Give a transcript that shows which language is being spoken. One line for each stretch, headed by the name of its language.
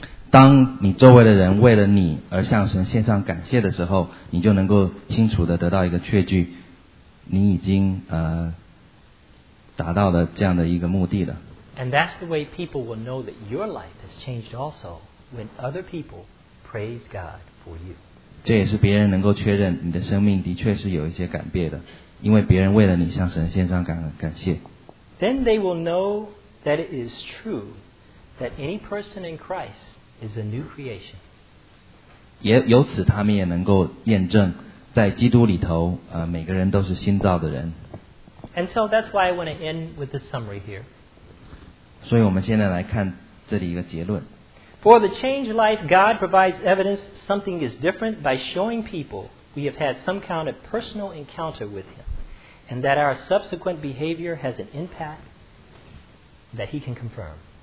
Chinese: 当你周围的人为了你而向神献上感谢的时候，你就能够清楚地得到一个确据，你已经达到了这样的一个目的了。
English: And that's the way people will know that your life has changed also when other people praise God for you.
Chinese: 这也是别人能够确认你的生命的确是有一些改变的，因为别人为了你向神献上感谢。
English: Then they will know that it is true that any person in Christ is a new creation.
Chinese: 也由此他们也能够验证，在基督里头，每个人都是新造的人。
English: And so that's why I want to end with the summary here.
Chinese: 所以我们现在来看这里一个结论。
English: For the changed life, God provides evidence something is different by showing people we have had some kind of personal encounter with Him and that our subsequent behavior has an impact that He can confirm.